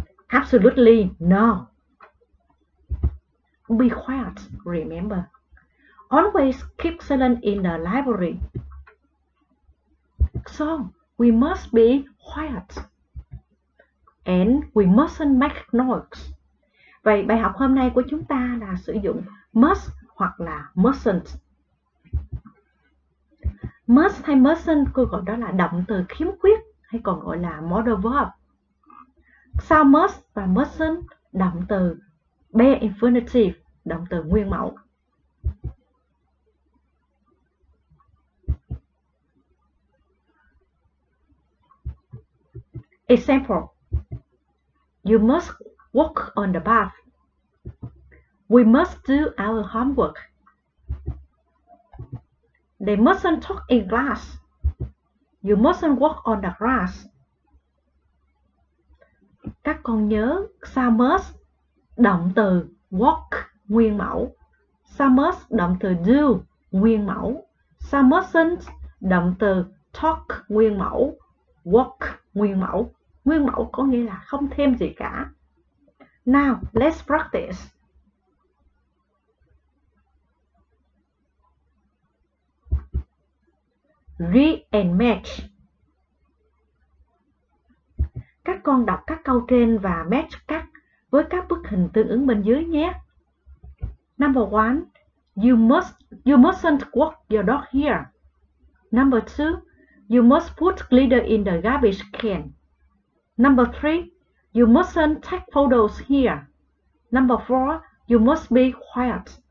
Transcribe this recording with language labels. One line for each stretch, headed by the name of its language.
English: Absolutely no. Be quiet, remember. Always keep silent in the library. So, we must be quiet. And we mustn't make noise.
Vietnamese: Vậy bài học hôm nay của chúng ta là sử dụng must hoặc là mustn't. Must hay mustn't, cô gọi đó là động từ khiếm khuyết hay còn gọi là modal verb. Sao must và mustn't động từ bare infinitive, động từ nguyên mẫu.
English: Example. You must walk on the path. We must do our homework. They mustn't talk in class. You mustn't walk on the grass.
Vietnamese: Các con nhớ sao must động từ walk nguyên mẫu. Sao must động từ do nguyên mẫu. Sao mustn't động từ talk nguyên mẫu. Walk nguyên mẫu. Nguyên mẫu có nghĩa là không thêm gì cả.
English: Now, let's practice. Read and match.
Vietnamese: Các con đọc các câu trên và match các với các bức hình tương ứng bên dưới nhé.
English: Number 1, you mustn't walk your dog here. Number 2, you must put glitter in the garbage can. Number 3, you mustn't take photos here. Number 4, you must be quiet.